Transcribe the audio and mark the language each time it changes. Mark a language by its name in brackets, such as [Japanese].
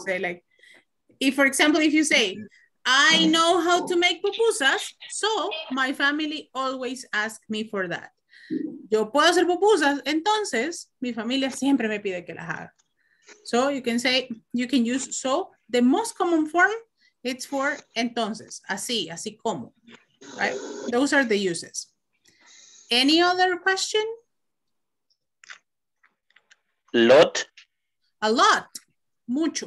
[English] Say like, if for example, if you say, I know how to make pupusas, so my family always ask me for that. [Spanish] Yo puedo hacer pupusas, entonces mi familia siempre me pide que las haga. [English] So you can say, you can use so. The most common form, it's for entonces, así, así como. Right? Those are the uses. Any other question? Lot. A lot. Mucho.